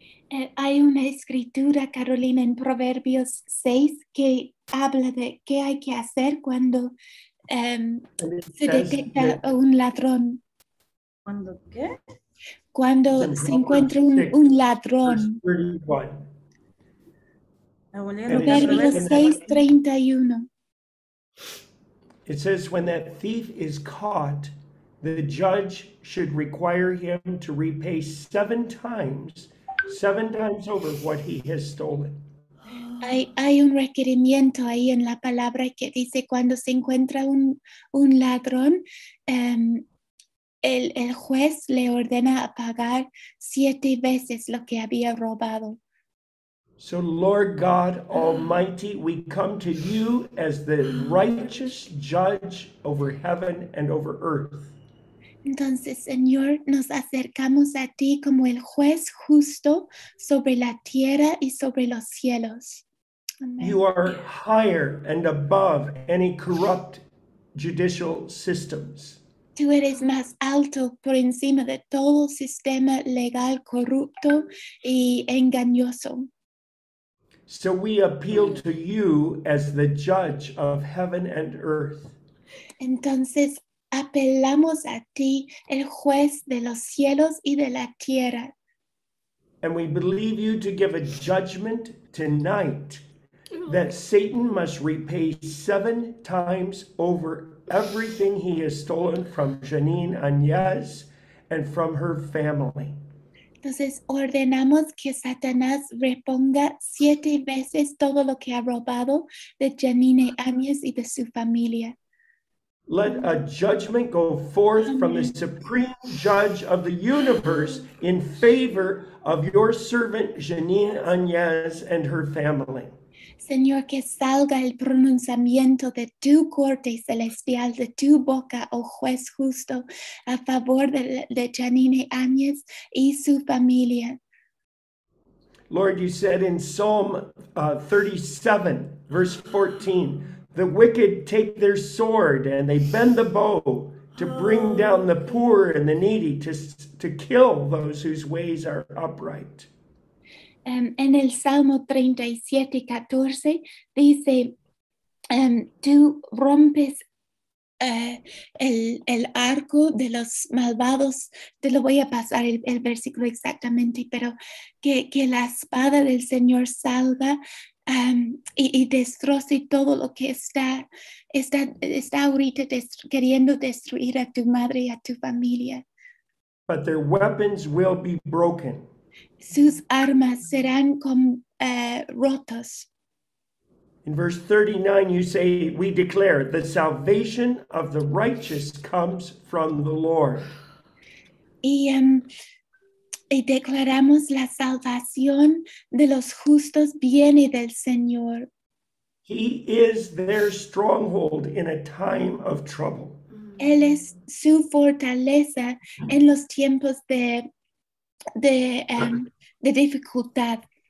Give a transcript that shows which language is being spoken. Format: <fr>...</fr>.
<es>Hay una escritura, Carolina, en Proverbios 6 que habla de qué hay que hacer cuando se detecta un ladrón. ¿Cuándo qué? cuando se encuentra un ladrón. Proverbios 6:31.</es> <en>It says, when that thief is caught, the judge should require him to repay seven times over what he has stolen.</en> <es>Hay un requerimiento ahí en la palabra que dice cuando se encuentra un ladrón, el juez le ordena a pagar siete veces lo que había robado.</es> <en>So, Lord God Almighty, we come to you as the righteous judge over heaven and over earth.</en> <es>Entonces, Señor, nos acercamos a ti como el juez justo sobre la tierra y sobre los cielos.</es> <en>Amen. You are higher and above any corrupt judicial systems.</en> <es>Tú eres más alto por encima de todo sistema legal corrupto y engañoso.</es> <en>So we appeal to you as the judge of heaven and earth.</en> <es>Entonces, apelamos a ti, el juez de los cielos y de la tierra.</es> <en>And we believe you to give a judgment tonight that Satan must repay seven times over everything he has stolen from Janine Añez and from her family.</en> <es>Entonces ordenamos que Satanás reponga siete veces todo lo que ha robado de Janine Añez y de su familia.</es> <en>Let a judgment go forth from the supreme judge of the universe in favor of your servant Janine Añez and her family.</en> <es>Señor, que salga el pronunciamiento de tu corte celestial, de tu boca, oh juez justo, a favor de Janine Añez y su familia.</es> <en>Lord, you said in Psalm 37, verse 14, the wicked take their sword and they bend the bow to bring down the poor and the needy, to kill those whose ways are upright.</en> <es>En el Salmo 37:14 dice, tú rompes el arco de los malvados. Te lo voy a pasar el versículo exactamente, pero que la espada del Señor salga y destroce todo lo que está ahorita queriendo destruir a tu madre y a tu familia.</es> <en>But their weapons will be broken.</en> <es>Sus armas serán rotos.</es> <en>In verse 39, you say, we declare, the salvation of the righteous comes from the Lord.</en> <es>Y declaramos la salvación de los justos viene del Señor.</es> <en>He is their stronghold in a time of trouble.</en> <es>Él es su fortaleza en los tiempos de dificultad.</es>